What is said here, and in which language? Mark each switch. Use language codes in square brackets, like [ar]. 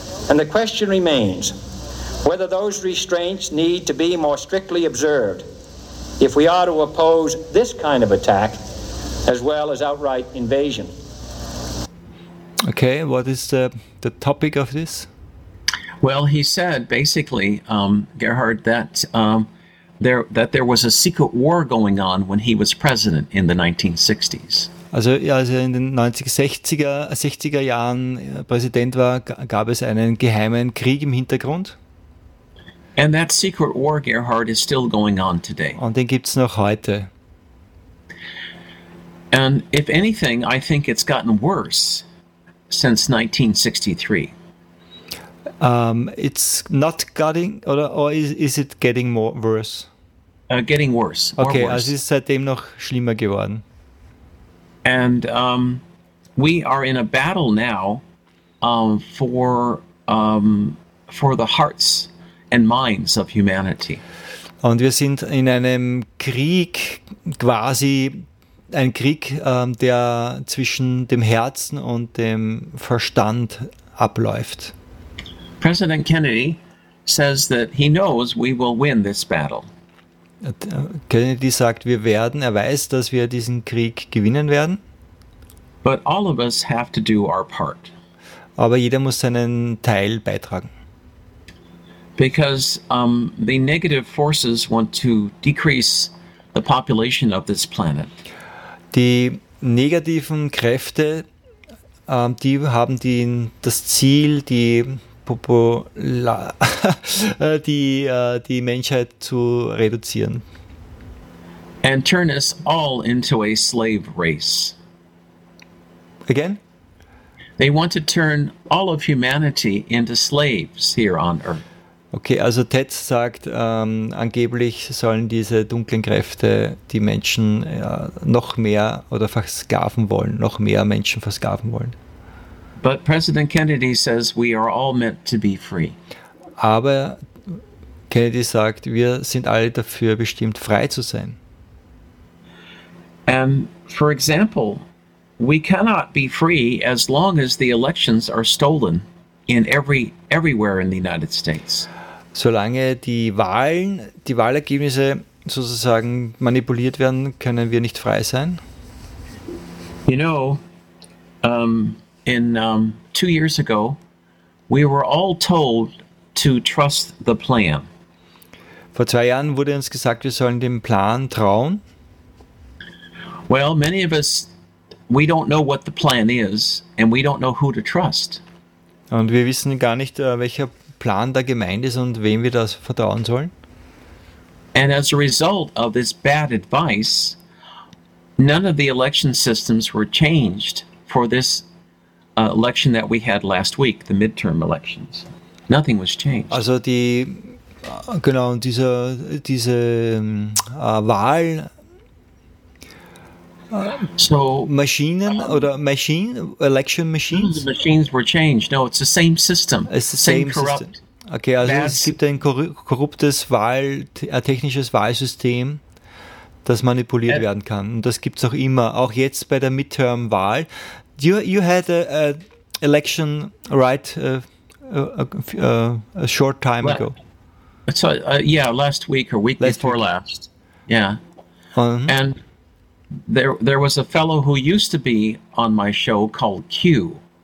[en] And the question remains whether those restraints need to be more strictly observed if we are to oppose this kind of attack as well as outright invasion. Okay, what is the topic of this? Well, he said, basically, Gerhard, that there was a secret war going on when he was president in the 1960s. [de] Also, in den 60er Jahren Präsident war, gab es einen geheimen Krieg im Hintergrund. [en] And that secret war, Gerhard, is still going on today. [de] Und den gibt's noch heute. [en] And if anything, I think it's gotten worse since 1963. It's not getting, or is it getting more worse? Getting worse. [de] Okay, also ist seitdem noch schlimmer geworden. [en] And we are in a battle now for the hearts and minds of humanity. [de] Und wir sind in einem Krieg, quasi ein Krieg, der zwischen dem Herzen und dem Verstand abläuft. [en] President Kennedy says that he knows we will win this battle. [de] Kennedy sagt, wir werden, er weiß, dass wir diesen Krieg gewinnen werden. [en] But all of us have to do our part. [de] Aber jeder muss seinen Teil beitragen. [en] Because the negative forces want to decrease the population of this planet. [de] Die negativen Kräfte, die haben die das Ziel, die Menschheit zu reduzieren. [en] And turn us all into a slave race. Again? They want to turn all of humanity into slaves here on Earth. [de] Okay, also Ted sagt, angeblich sollen diese dunklen Kräfte die Menschen noch mehr oder versklaven wollen, noch mehr Menschen versklaven wollen. [en] But President Kennedy says we are all meant to be free. [de] Aber Kennedy sagt, wir sind alle dafür bestimmt, frei zu sein. [en] And for example, we cannot be free as long as the elections are stolen in everywhere in the United States. [de] Solange die Wahlergebnisse sozusagen manipuliert werden, können wir nicht frei sein. [en] You know, In 2 years ago, we were all told to trust the plan. Vor 2 Jahren wurde uns gesagt, wir sollen dem Plan trauen. Well, many of us, we don't know what the plan is, and we don't know who to trust. Und wir wissen gar nicht, welcher Plan da gemeint ist und wem wir das vertrauen sollen. And as a result of this bad advice, none of the election systems were changed for this election that we had last week, the midterm elections. Nothing was changed. [de] Also die, genau, diese Wahl so, Maschinen oder [en] Machine, Election Machines? The machines were changed. No, it's the same system. It's the same corrupt. [de] Okay, also es gibt ein korruptes technisches Wahlsystem, das manipuliert werden kann. Und das gibt es auch immer, auch jetzt bei der Midterm-Wahl. [en] You had a election right a short time ago. So last week or week last before week. Last. Yeah. Uh-huh. And there was a fellow who used to be on my show called Q.